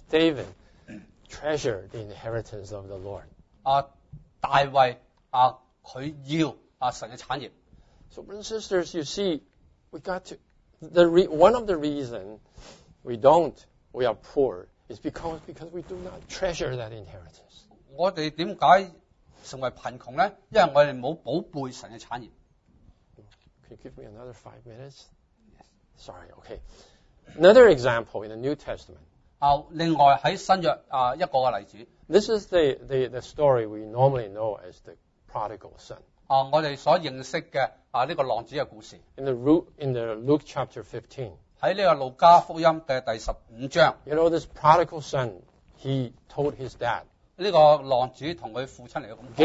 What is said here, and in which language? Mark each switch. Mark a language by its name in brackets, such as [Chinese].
[English] David treasured the inheritance of the Lord. [Chinese] 大卫, 她要, 神的产业. [English] So, brothers and sisters, you see, we got to. One of the reasons we are poor is because we do not treasure that inheritance. [Chinese] 我们为什么成为贫穷呢?因为我们没有宝贝神的产业. [English] Can you give me another 5 minutes? Sorry, okay. Another example in the New Testament. [Chinese] 另外在新约一个例子. [English] This is the story we normally know as the prodigal son. [Chinese] 我们所认识的 这个浪子的故事, [English] in the Luke chapter 15. [Chinese] 在这个路加福音的第15章, [English] you know, this prodigal son, he told his dad, [Chinese] 这个浪子跟他父亲来说,